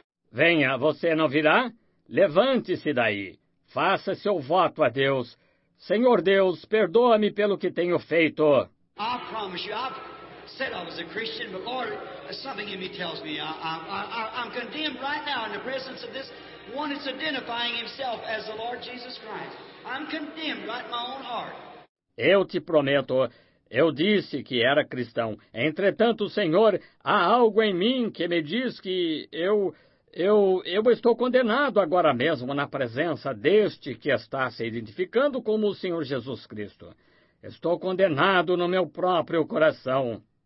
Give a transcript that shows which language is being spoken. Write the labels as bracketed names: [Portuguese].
[Portuguese] Venha, você não virá? Levante-se daí. Faça seu voto a Deus. Senhor Deus, perdoa-me pelo que tenho feito. [English] I promise you, said I was a Christian, but Lord, something in me tells me I'm condemned right now in the presence of this one that's identifying himself as the Lord Jesus Christ. I'm condemned right in my own heart. [Portuguese] Eu te prometo, Eu disse que era cristão. Entretanto, Senhor, há algo em mim que me diz que eu estou condenado agora mesmo na presença deste que está se identificando como o Senhor Jesus Cristo. Estou condenado no meu próprio coração.